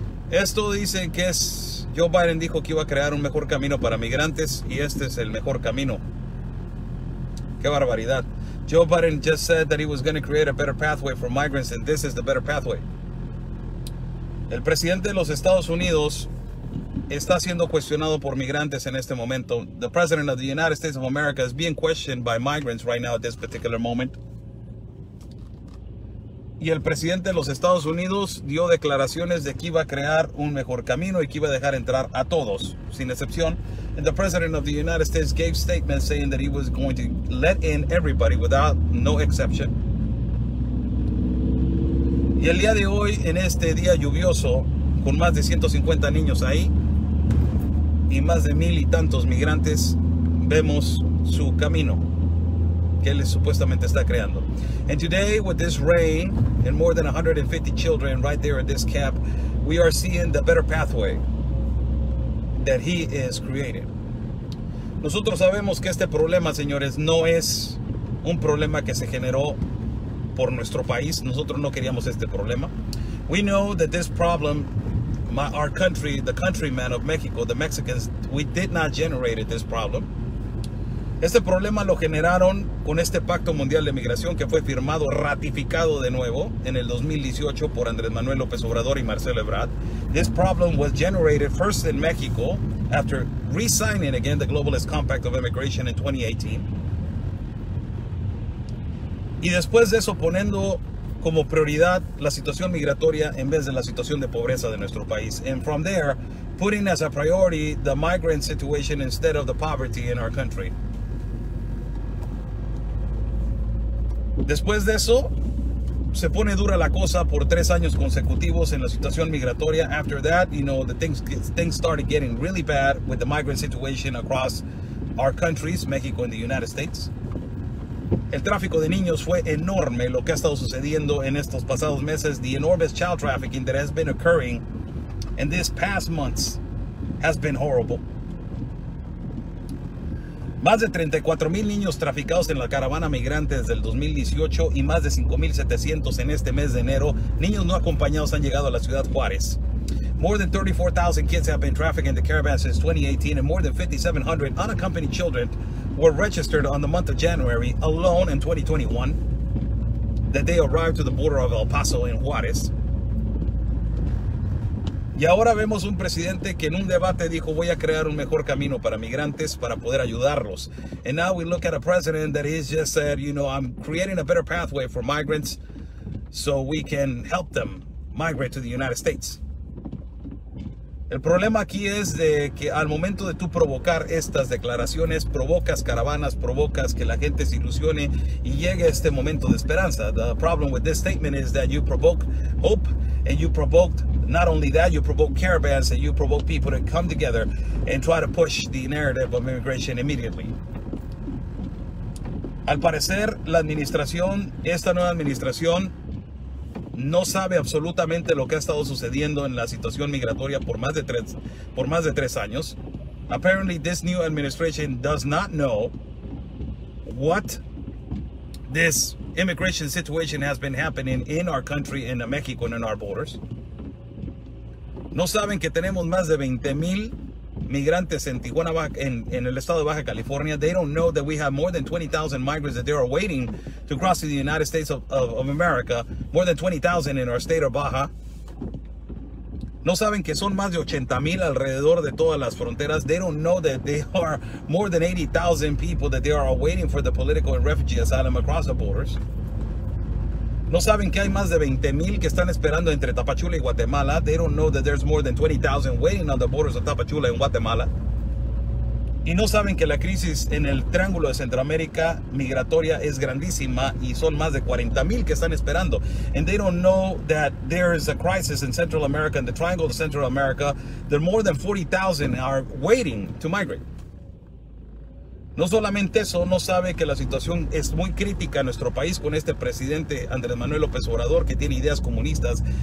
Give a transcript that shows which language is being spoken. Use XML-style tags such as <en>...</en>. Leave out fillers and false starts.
<es>Esto dice que es Joe Biden dijo que iba a crear un mejor camino para migrantes y este es el mejor camino. Qué barbaridad.</es> <en>Joe Biden just said that he was going to create a better pathway for migrants, and this is the better pathway.</en> <es>El presidente de los Estados Unidos está siendo cuestionado por migrantes en este momento.</es> <en>The president of the United States of America is being questioned by migrants right now at this particular moment.</en> <es>Y el presidente de los Estados Unidos dio declaraciones de que iba a crear un mejor camino y que iba a dejar entrar a todos, sin excepción.</es> <en>And the president of the United States gave statements saying that he was going to let in everybody without no exception.</en> <es>Y el día de hoy, en este día lluvioso, con más de 150 niños ahí y más de mil y tantos migrantes, vemos su camino que él supuestamente está creando.</es> <en>And today, with this rain and more than 150 children right there at this camp, we are seeing the better pathway that he is creating.</en> <es>Nosotros sabemos que este problema, señores, no es un problema que se generó por nuestro país. Nosotros no queríamos este problema.</es> <en>We know that this problem, our country, the countrymen of Mexico, the Mexicans, we did not generate this problem.</en> <es>Este problema lo generaron con este Pacto Mundial de Migración que fue firmado, ratificado de nuevo en el 2018 por Andrés Manuel López Obrador y Marcelo Ebrard.</es> <en>This problem was generated first in Mexico after re-signing again the Globalist Compact of Immigration in 2018.</en> <es>Y después de eso, poniendo como prioridad la situación migratoria en vez de la situación de pobreza de nuestro país.</es> <en>And from there, putting as a priority the migrant situation instead of the poverty in our country.</en> <es>Después de eso, se pone dura la cosa por 3 años consecutivos en la situación migratoria.</es> <en>After that, you know, the things started getting really bad with the migrant situation across our countries, Mexico and the United States.</en> <es>El tráfico de niños fue enorme, lo que ha estado sucediendo en estos pasados meses.</es> <en>The enormous child trafficking that has been occurring in these past months has been horrible.</en> <es>Más de 34,000 niños traficados en la caravana migrante desde el 2018 y más de 5,700 en este mes de enero. Niños no acompañados han llegado a la ciudad Juárez.</es> <en>More than 34,000 kids have been trafficked in the caravan since 2018 and more than 5,700 unaccompanied children were registered on the month of January alone in 2021 that they arrived to the border of El Paso in Juárez.</en> <es>Y ahora vemos un presidente que en un debate dijo, voy a crear un mejor camino para migrantes para poder ayudarlos.</es> <en>And now we look at a president that has just said, you know, I'm creating a better pathway for migrants so we can help them migrate to the United States.</en> <es>El problema aquí es de que al momento de tú provocar estas declaraciones, provocas caravanas, provocas que la gente se ilusione y llegue este momento de esperanza.</es> <en>The problem with this statement is that you provoke hope and you provoked not only that, you provoke caravans and you provoke people to come together and try to push the narrative of immigration immediately.</en> <es>Al parecer, la administración, esta nueva administración, no sabe absolutamente lo que ha estado sucediendo en la situación migratoria por más de tres años.</es> <en>Apparently, this new administration does not know what this immigration situation has been happening in our country, in Mexico, and in our borders.</en> <es>No saben que tenemos más de 20,000 migrantes en Tijuana, en el estado de Baja California.</es> <en>They don't know that we have more than 20,000 migrants that they are waiting to cross to the United States of America. More than 20,000 in our state of Baja.</en> <es>No saben que son más de 80,000 alrededor de todas las fronteras.</es> <en>They don't know that they are more than 80,000 people that they are waiting for the political and refugee asylum across the borders.</en> <es>No saben que hay más de 20,000 que están esperando entre Tapachula y Guatemala.</es> <en>They don't know that there's more than 20,000 waiting on the borders of Tapachula and Guatemala.</en> <es>Y no saben que la crisis en el Triángulo de Centroamérica migratoria es grandísima y son más de 40,000 que están esperando.</es> <en>And they don't know that there is a crisis in Central America, in the Triangle of Central America, that more than 40,000 are waiting to migrate.</en> <es>No solamente eso, no sabe que la situación es muy crítica en nuestro país con este presidente Andrés Manuel López Obrador que tiene ideas comunistas.</es>